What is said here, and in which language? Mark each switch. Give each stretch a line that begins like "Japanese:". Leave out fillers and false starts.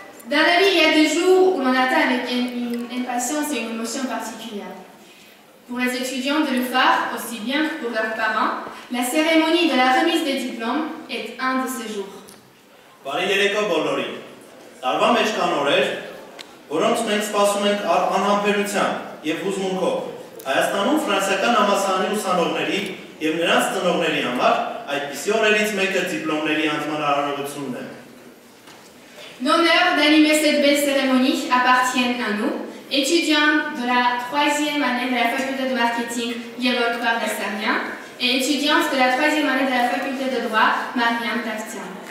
French: Dans la vie, il y a des jours où l'on attend avec une impatience et une émotion particulière. Pour les étudiants de l'UFAR, aussi bien que pour leurs parents, la cérémonie de la remise des diplômes est un de ces jours.
Armenian: Բարի երեկո բոլորին. Տարվա մեջ կան օրեր, որոնց մենք սպասում ենք անհամբերությամբ եւ հուզմունքով։ Հայաստանում ֆրանսական համալսարանի ուսանողների եւ նրանց ծնողների համար այդպիսի օրերից մեկը դիպլոմների անձման արարողությունն է։
French: L'honneur d'animer cette belle cérémonie appartient à nous, étudiants de la troisième année de la faculté de marketing Yevolkoar d'Astarnia et étudiants de la troisième année de la faculté de droit Marianne Tartien.